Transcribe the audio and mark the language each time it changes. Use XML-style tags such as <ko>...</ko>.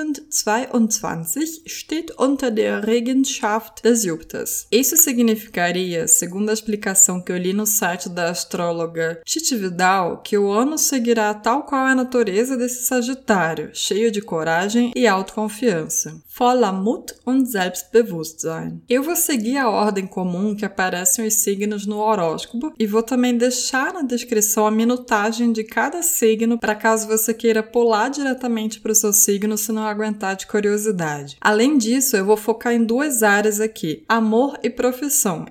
<de>2022 steht unter der Regenschaft des Jupiters.</de> <pt>Isso significaria, segundo a explicação que eu li no site da astróloga Titi Vidal, que o ano seguirá tal qual a natureza desse Sagitário, cheio de coragem e autoconfiança.</pt> <de>Voller Mut und Selbstbewusstsein.</de> <pt>Eu vou seguir a ordem comum que aparece nos signos no horóscopo e vou também deixar na descrição a minutagem de cada signo para caso você queira pular diretamente para o seu signo se não aguentar de curiosidade. Além disso, eu vou focar em duas áreas aqui, amor e profissão.</pt>